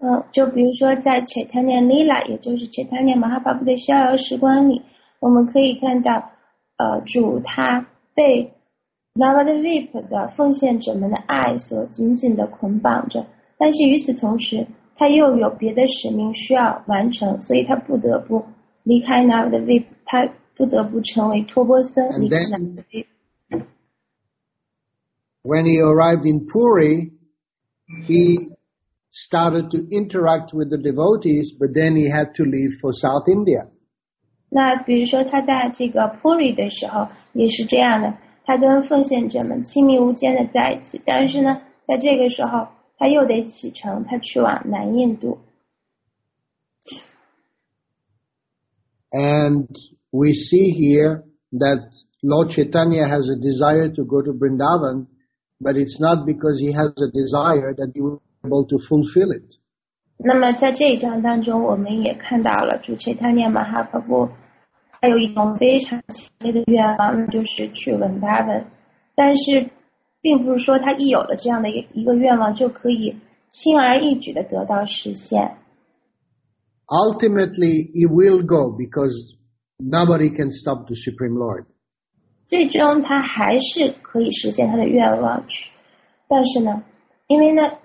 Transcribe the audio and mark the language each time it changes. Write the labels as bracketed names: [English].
[Chinese] 就比如说在 Chaitanya Lila, 也就是 Chaitanya Mahaprabhu 的逍遥时光里，我们可以看到主他被 Navadvip 的奉献者们的爱所紧紧的捆绑着，但是与此同时他又有别的使命需要完成，所以他不得不离开 Navadvip, 他不得不成为托钵僧离开 Navadvip。 [English] When he arrived in Puri, heStarted to interact with the devotees, but then he had to leave for South India. [Chinese] 那比如说他在这个 Puri 的时候也是这样的，他跟奉献者们亲密无间的在一起，但是呢，在这个时候他又得启程，他去往南印度。 [English] And we see here that Lord Chaitanya has a desire to go to Vrindavan, but it's not because he has a desire that he will. Able to fulfill it. [Chinese] 那么在这一章当中，我们也看到了主 Chaitanya Mahaprabhu 他有一种非常强烈的愿望，那就是去 Vrindavan。但是，并不是说他一有了这样的一个愿望就可以轻而易举的得到实现。 [English] Ultimately, he will go because nobody can stop the Supreme Lord. [Chinese] 最终他还是可以实现他的愿望去，但是呢，因为呢。